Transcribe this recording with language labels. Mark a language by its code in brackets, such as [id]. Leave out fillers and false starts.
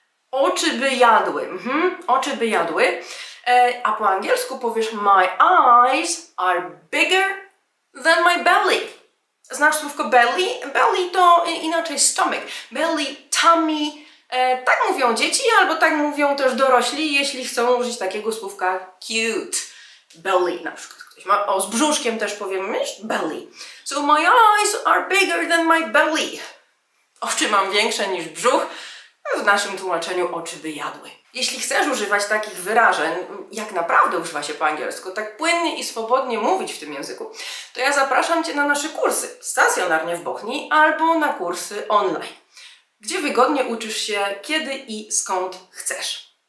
[pl] Oczy by jadły. Oczy by jadły. A po angielsku powiesz [en] my eyes are bigger than my belly. [pl] Znasz słówko belly? Belly to inaczej stomach. Belly, tummy. Tak mówią dzieci, albo tak mówią też dorośli, jeśli chcą użyć takiego słówka cute. Belly na przykład. Ktoś ma, z brzuszkiem też powiem, myśl? [en] Belly. So my eyes are bigger than my belly. [pl] Oczy mam większe niż brzuch. W naszym tłumaczeniu oczy by jadły. Jeśli chcesz używać takich wyrażeń, jak naprawdę używa się po angielsku, tak płynnie i swobodnie mówić w tym języku, to ja zapraszam Cię na nasze kursy stacjonarnie w Bochni albo na kursy online, gdzie wygodnie uczysz się, kiedy i skąd chcesz.